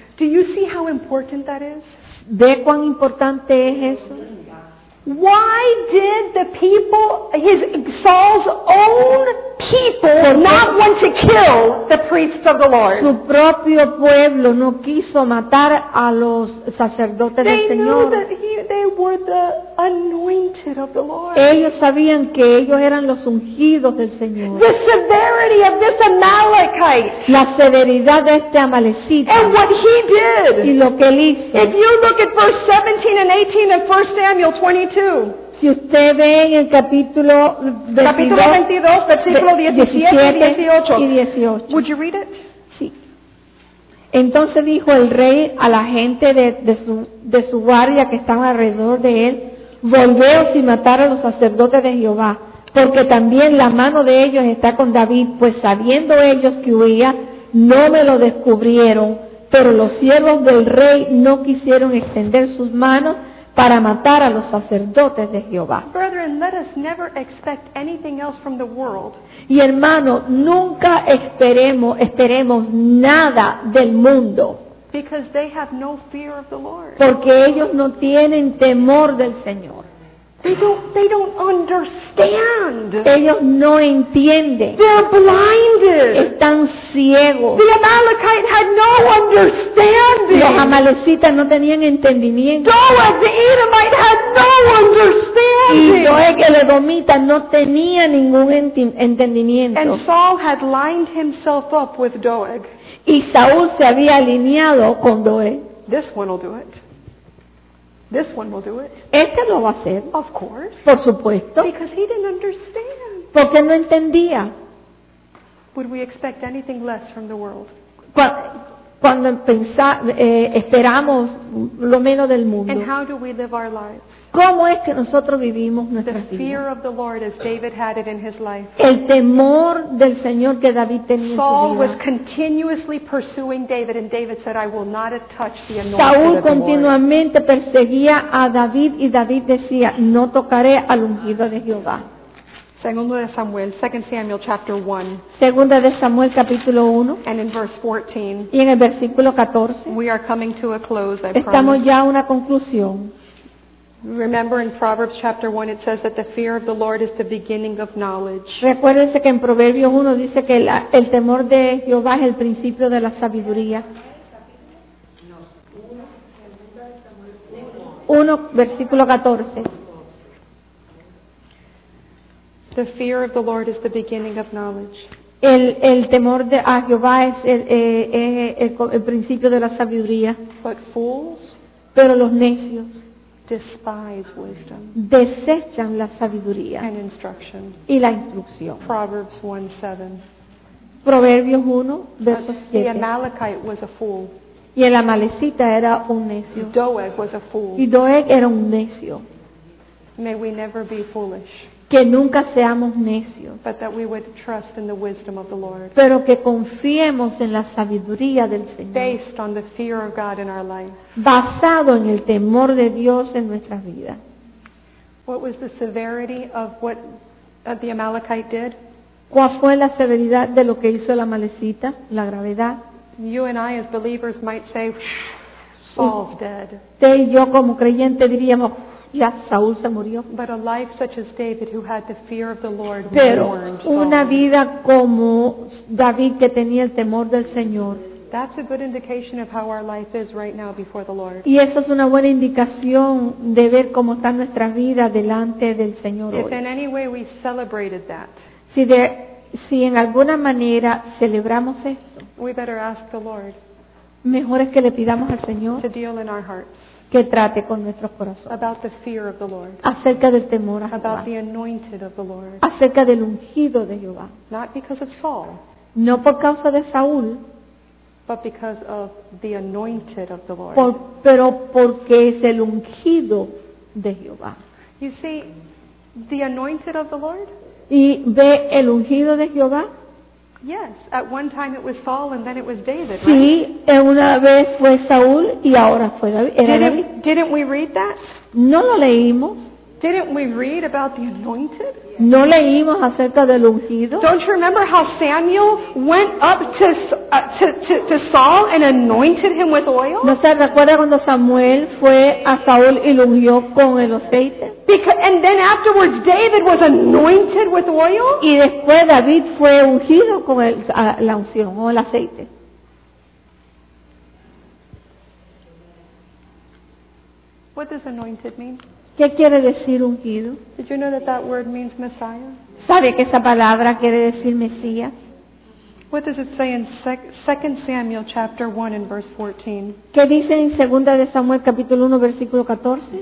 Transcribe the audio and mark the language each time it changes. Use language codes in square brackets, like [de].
[en] Do you see how important that is? [es] ¿Ve cuán importante es eso? [en] Why did the people, Saul's own people, not want to kill the priests of the Lord? [es] Su propio pueblo no quiso matar a los sacerdotes del Señor. [en] They knew that they were the anointed of the Lord. [es] Ellos sabían que ellos eran los ungidos del Señor. [en] The severity of this Amalekite. [es] La severidad de este Amalecita. [en] And what he did. [es] Y lo que él hizo. [en] If you look at verse 17 and 18 of 1 Samuel 22. [es] Si usted ve en el capítulo 22, versículo 17 y 18. [en] Would you read it? [es] Sí. Entonces dijo el rey a la gente de su guardia que estaba alrededor de él, volveos y matar a los sacerdotes de Jehová, porque también la mano de ellos está con David, pues sabiendo ellos que huía, no me lo descubrieron, pero los siervos del rey no quisieron extender sus manos para matar a los sacerdotes de Jehová. [en] Brethren, let us never expect anything else from the world. [es] Y hermano, nunca esperemos nada del mundo. [en] Because they have no fear of the Lord. [es] Porque ellos no tienen temor del Señor. [en] They don't understand. [es] Ellos no entienden. [en] They're blinded. [es] Están ciegos. [en] The Amalekite had no understanding. [es] Los Amalecitas no tenían entendimiento. [en] Doeg, the Edomite had no understanding. [es] Y Doeg, el Edomita, no tenía ningún entendimiento. [en] And Saul had lined himself up with Doeg. [es] Y Saúl se había alineado con Doeg. [en] This one will do it. This one will do it. [es] Este lo va a hacer. [en] Of course. [es] Por supuesto. [en] Because he didn't understand. [es] Porque no entendía. [en] Would we expect anything less from the world? [es] Cuando esperamos lo menos del mundo. [en] And how do we live our lives? [es] ¿Cómo es que nosotros vivimos nuestras vidas? [en] The fear of the Lord as David had it in his life. [es] El temor del Señor que David tenía en su vida. [en] Saul was continuously pursuing David and David said, I will not touch the anointed of the Lord. [es] Saúl continuamente perseguía a David y David decía, no tocaré al ungido de Jehová. Segunda de Samuel, [en] 2 Samuel chapter 1. [es] Segunda de Samuel capítulo 1. [en] And in verse 14. [es] Y en el versículo 14. [en] We are coming to a close, I promise. [es] Estamos ya a una conclusión. [en] Remember in Proverbs chapter 1 it says that the fear of the Lord is the beginning of knowledge. [es] Recuérdense que en Proverbios 1 dice que el temor de Jehová es el principio de la sabiduría. 1 versículo 14. [en] The fear of the Lord is the beginning of knowledge. [es] El temor de a Jehová es el principio de la sabiduría. [en] But fools, [es] pero los necios, [en] despise wisdom. [es] Desechan la sabiduría. [en] And instruction. [es] Y la instrucción. [en] Proverbs 1:7. [es] Proverbios 1, verso 7. [en] The Amalekite was a fool. [es] Y el Amalecita era un necio. [en] Doeg was a fool. [es] Y Doeg era un necio. [en] May we never be foolish. [es] Que nunca seamos necios. [en] But that we would trust in the wisdom of the Lord. [es] Pero que confiemos en la sabiduría del Señor. [en] Based on the fear of God in our life. [es] Basado en el temor de Dios en nuestras vidas. [en] What was the severity of what the Amalekite did? [es] ¿Cuál fue la severidad de lo que hizo la Amalecita, la gravedad? [en] You and I as believers might say, Saul's dead. [es] Te y yo como creyente diríamos, ya Saúl se murió. [en] But a life such as David who had the fear of the Lord [es] Pero una vida como David que tenía el temor del Señor. [en] That's a good indication of how our life is right now before the Lord. [es] Y eso es una buena indicación de ver cómo está nuestra vida delante del Señor hoy. [en] If in any way we celebrated that. [es] Si en alguna manera celebramos esto. [en] We better ask the Lord. [es] Mejor es que le pidamos al Señor. [en] To deal in our hearts. [es] Que trate con nuestros corazones. [en] About the fear of the Lord. [es] Acerca del temor a Jehová. [en] About the anointed of the Lord. [es] Acerca del ungido de Jehová. [en] Not because of Saul. [es] No por causa de Saúl. [en] But because of the anointed of the Lord. [es] Pero porque es el ungido de Jehová. [en] You see, the anointed of the Lord? [es] ¿Y ve el ungido de Jehová? [en] Yes, at one time it was Saul and then it was David. [es] Sí, [en] right? [es] Una vez fue Saúl y ahora fue David. [en] Didn't we read that? [es] ¿No lo leímos? [en] Didn't we read about the anointed? [es] ¿No leímos acerca del ungido? [en] Don't you remember how Samuel went up to Saul and anointed him with oil? [es] ¿No se recuerda cuando Samuel fue a Saúl y ungió con el aceite? [en] And then afterwards David was anointed with oil? [es] Y después David fue ungido con la unción o el aceite. [en] What does anointed mean? [es] ¿Qué quiere decir ungido? [en] Did you know that that word means Messiah? [es] ¿Sabe que esa palabra quiere decir Mesías? [en] What does it say in 2 Samuel chapter 1 and verse 14? [es] ¿Qué dice en 2 de Samuel capítulo 1 versículo 14?